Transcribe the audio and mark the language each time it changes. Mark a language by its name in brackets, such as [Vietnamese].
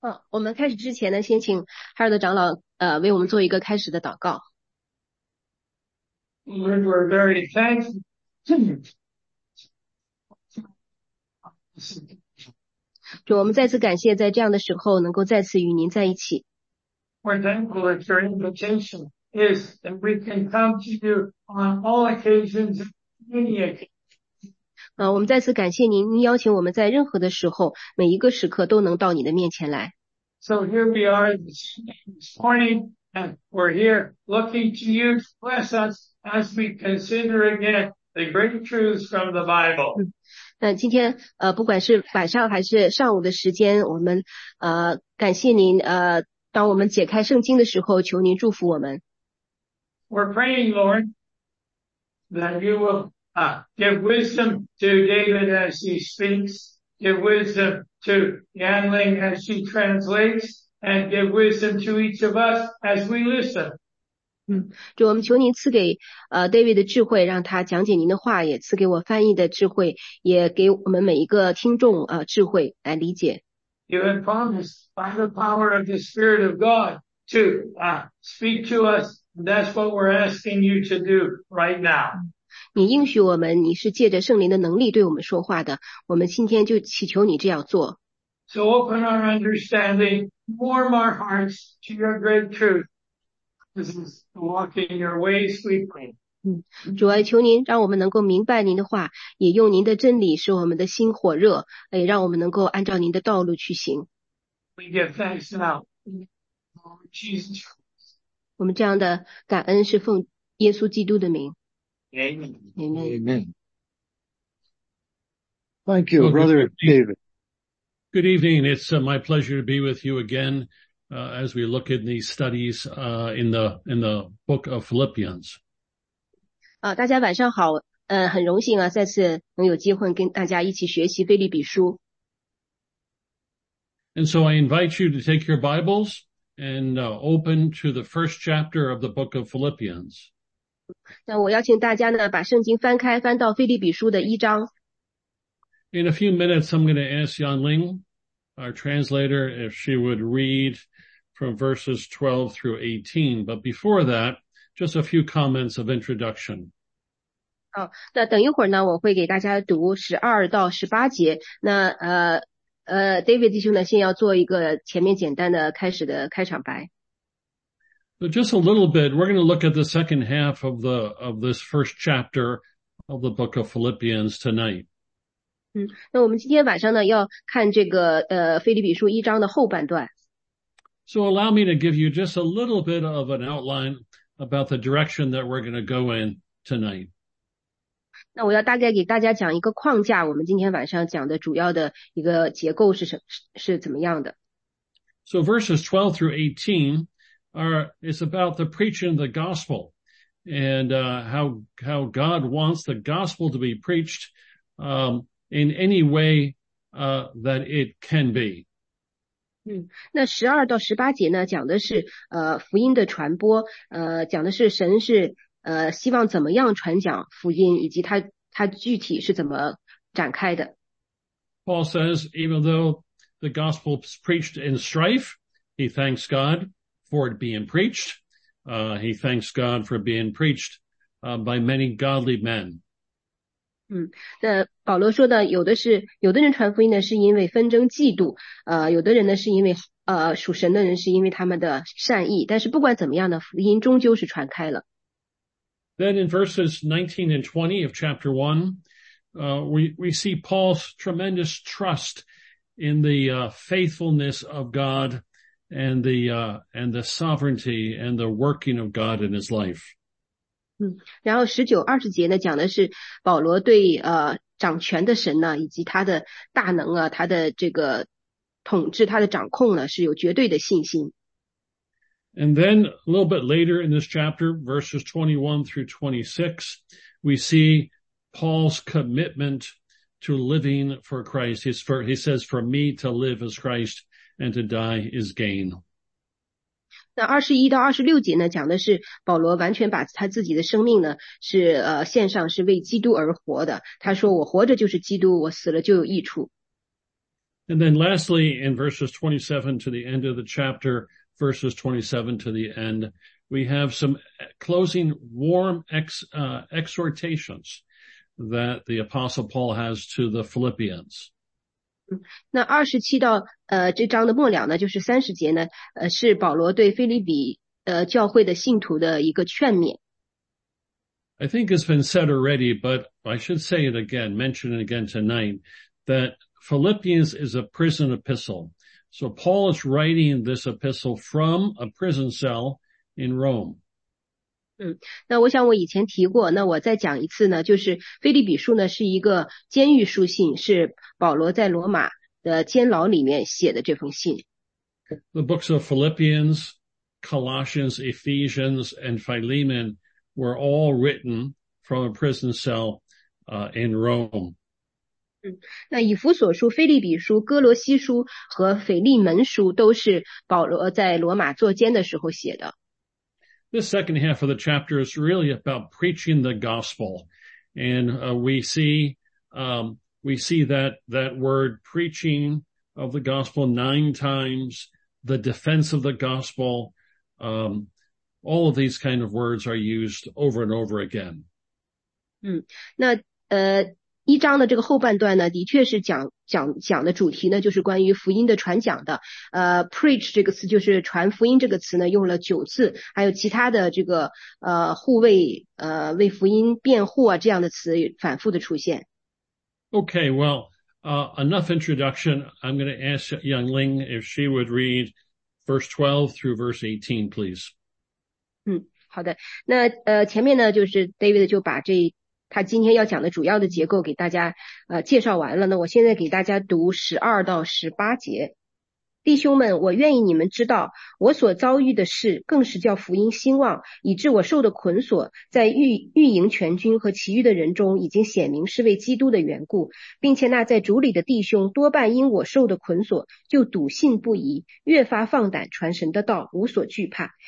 [Chinese] 我们开始之前呢，先请哈尔的长老为我们做一个开始的祷告。 [English] Lord, we're very thankful. [Chinese] 主，我们再次感谢在这样的时候能够再次与您在一起。 [English] We're thankful that your invitation is that we can come to you on all occasions, any occasion. [Chinese] 我们再次感谢您，您邀请我们在任何的时候，每一个时刻都能到你的面前来。 [English] So here we are this morning, and we're here looking to you to bless us as we consider again the great truths from the Bible. [Chinese] 那今天不管是晚上还是上午的时间，我们感谢您当我们解开圣经的时候，求您祝福我们。 [English] We're praying, Lord, that you will give wisdom to David as he speaks, give wisdom to Yanling as she translates, and give wisdom to each of us as we listen. [Chinese] 主，我们求您赐给David 的智慧，让他讲解您的话，也赐给我翻译的智慧，也给我们每一个听众智慧来理解。 [English] You have promised by the power of the Spirit of God to speak to us. That's what we're asking you to do right now. [Chinese] 你应许我们，你是借着圣灵的能力对我们说话的。我们今天就祈求你这样做。 [English] So open our understanding, warm our hearts to your great truth. This is walking your ways, we pray. [Chinese] 主啊，求您让我们能够明白您的话，也用您的真理使我们的心火热，也让我们能够按照您的道路去行。 [English] We give thanks now, Lord Jesus. [Chinese] 我们这样的感恩是奉耶稣基督的名。 [English] Amen. Thank you, Brother David. Good evening. It's my pleasure to be with you again as we look at these studies in the book of Philippians. [Chinese] 大家晚上好，很荣幸啊，再次能有机会跟大家一起学习腓立比书。 [English] And so I invite you to take your Bibles and open to the first chapter of the book of Philippians. [Chinese] 那我邀请大家呢，把圣经翻开，翻到腓立比书的一章。 [English] In a few minutes, I'm going to ask Yanling, our translator, if she would read from verses 12 through 18. But before that, just a few comments of introduction. [Chinese] 那等一会儿呢，我会给大家读12到18节。那David 弟兄呢，先要做一个前面简单的开始的开场白。 [English] But just a little bit, we're going to look at the second half of the of this first chapter of the book of Philippians tonight. [Chinese] 那我们今天晚上呢，要看这个腓立比书一章的后半段。 [English] So allow me to give you just a little bit of an outline about the direction that we're going to go in tonight. [Chinese] 那我要大概给大家讲一个框架，我们今天晚上讲的主要的一个结构是什么，是怎么样的。 [English] So verses 12 through 18 is about the preaching of the gospel. and how God wants the gospel to be preached in any way that it can be. [Chinese] 那12到18节呢讲的是福音的传播，讲的是神是希望怎么样传讲福音，以及他具体是怎么展开的。 [English] Paul says, even though the gospel is preached in strife, he thanks God for it being preached. He thanks God for being preached by many godly men. [Chinese] 那保罗说的有的人传福音呢是因为纷争嫉妒，有的人呢是因为属神的人是因为他们的善意，但是不管怎么样呢，福音终究是传开了。 [English] Then in verses 19 and 20 of chapter 1, we see Paul's tremendous trust in the faithfulness of God and the sovereignty and the working of God in his life. [Chinese] 然后19-20节呢讲的是保罗对掌权的神呢以及他的大能啊他的这个统治他的掌控呢是有绝对的信心。 [English] And then a little bit later in this chapter, verses 21 through 26, we see Paul's commitment to living for Christ. He says, for me to live is Christ and to die is gain. [Chinese] 那21-26节呢讲的是保罗完全把他自己的生命呢是献上是为基督而活的。他说我活着就是基督我死了就有益处。 [English] And then lastly, in verses 27 to the end of the chapter, verses 27 to the end, we have some closing warm exhortations that the apostle Paul has to the Philippians. [Chinese] 那27到这章的末了呢就是30节呢是保罗对腓立比教会的信徒的一个劝勉。 [English] I think it's been said already, but I should say it again, mention it again tonight, that Philippians is a prison epistle. So Paul is writing this epistle from a prison cell in Rome. [Chinese] 那我想我以前提过，那我再讲一次呢，就是腓立比书呢是一个监狱书信，是保罗在罗马的监牢里面写的这封信。 [English] The books of Philippians, Colossians, Ephesians, and Philemon were all written from a prison cell, in Rome. [Chinese] 那以弗所书、腓立比书、哥罗西书和腓利门书都是保罗在罗马坐监的时候写的。 [English] This second half of the chapter is really about preaching the gospel. And we see that word preaching of the gospel 9 times, the defense of the gospel, all of these kind of words are used over and over again. [Chinese] 那一章的这个后半段呢的确是讲的主题呢就是关于福音的传讲的。 preach 这个词就是传福音这个词呢用了9次，还有其他的这个护卫为福音辩护啊这样的词反复的出现。 [English] Okay, well, enough introduction. I'm going to ask Yang Ling if she would read verse 12 through verse 18, please. [Chinese] 好的。那前面呢就是 David 就把这他今天要讲的主要的结构给大家介绍完了，那我现在给大家读12-18节。弟兄们，我愿意你们知道，我所遭遇的事更是叫福音兴旺，以致我受的捆锁在狱营全军和其余的人中已经显明是为基督的缘故，并且那在主里的弟兄多半因我受的捆锁就笃信不疑，越发放胆传神的道，无所惧怕。